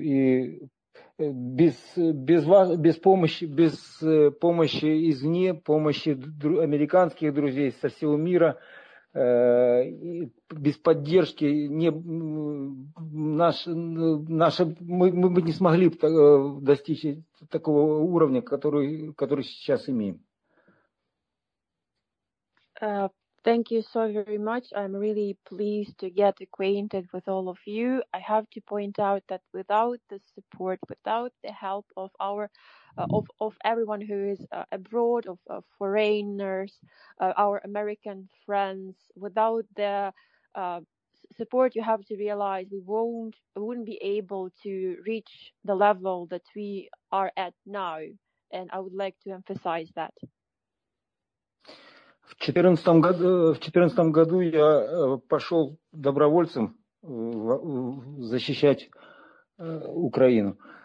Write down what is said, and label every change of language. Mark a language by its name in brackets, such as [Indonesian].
[Russian] И без помощи извне, помощи американских друзей со всего мира, без поддержки мы бы не смогли достичь такого уровня, который сейчас имеем. [English] Thank you so very much. I'm really pleased to get acquainted with all of you. I have to point out that without the support, without the help of everyone who is abroad, of foreigners, our American friends, without the support, you have to realize we wouldn't be able to reach the level that we are at now. And I would like to emphasize that. [Russian] В 2014 году я пошел добровольцем защищать Украину.